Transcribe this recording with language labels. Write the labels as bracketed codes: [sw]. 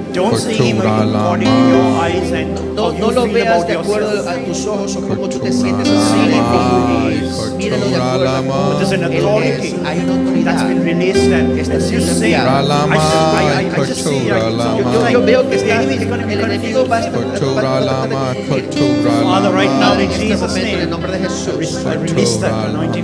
[en] Don't see him according to your eyes and [es] no, no lo veas de acuerdo a tus ojos o cómo tú te sientes. sí. Míralo de acuerdo a cómo tú te sientes. Él es, hay una autoridad. [en] That's been released and [es] está siendo enviado. Yo veo que está el enemigo va a estar [en] Father, right now in Jesus' name, release that anointing.